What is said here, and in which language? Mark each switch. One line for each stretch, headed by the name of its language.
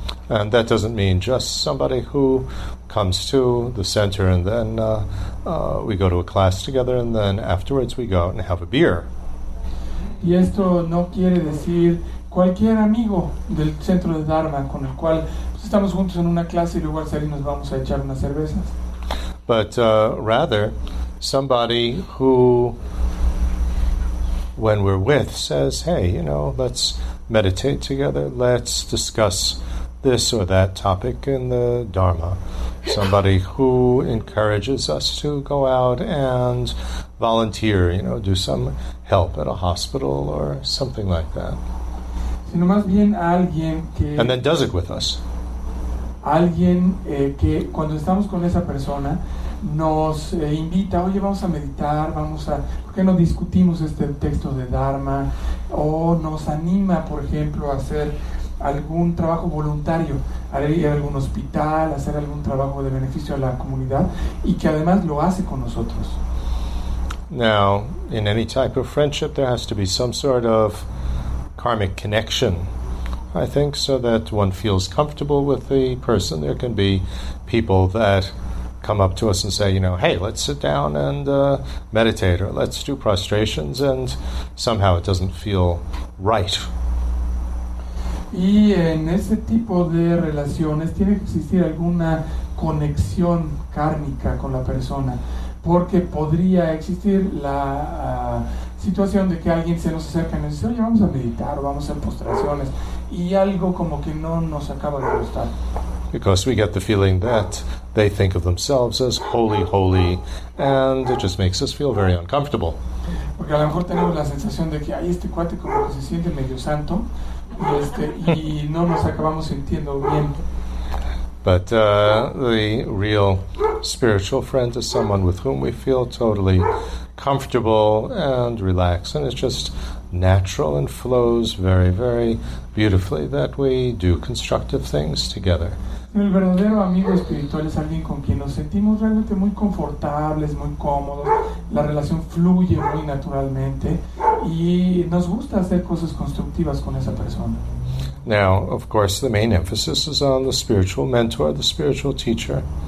English: And that doesn't mean just somebody who comes to the center and then we go to a class together and then afterwards we go out and have a beer.
Spanish: Y esto no quiere decir cualquier amigo del centro de Dharma con el cual pues, estamos juntos en una clase y luego al salir nos vamos a echar unas cervezas.
English: But rather, somebody who, when we're with, says, hey, you know, let's meditate together, let's discuss this or that topic in the Dharma. Somebody who encourages us to go out and volunteer, you know, do some help at a hospital or something like that.
Spanish: Sino más bien alguien que,
English: and then does it with us.
Spanish: Alguien que cuando estamos con esa persona nos invita, oye, vamos a meditar, vamos a, ¿por qué no discutimos este texto de Dharma? O nos anima, por ejemplo, a hacer algún trabajo voluntario, ir a algún hospital, hacer algún trabajo de beneficio a la comunidad y que además lo hace con nosotros.
English: Now, in any type of friendship, there has to be some sort of karmic connection, I think, so that one feels comfortable with the person. There can be people that come up to us and say, you know, hey, let's sit down and meditate or let's do prostrations, and somehow it doesn't feel right.
Spanish: Y en ese tipo de relaciones tiene que existir alguna conexión kármica con la persona, porque podría existir la situación de que alguien se nos acerca y nos dice, oye, vamos a meditar, vamos a hacer postraciones, y algo como que no nos acaba de gustar.
English: Because we get the feeling that they think of themselves as holy, holy, and it just makes us feel very uncomfortable.
Spanish: Porque a lo mejor tenemos la sensación de que, ay, este cuate como que se siente medio santo, y no nos acabamos sintiendo bien.
English: But the real spiritual friend is someone with whom we feel totally comfortable and relaxed, and it's just natural and flows very, very beautifully that we do constructive things together.
Spanish: El verdadero amigo espiritual es alguien con quien nos sentimos realmente muy confortables, muy cómodos. La relación fluye muy naturalmente y nos gusta hacer cosas constructivas con esa persona.
English: Now, of course, the main emphasis is on the spiritual mentor, the spiritual teacher.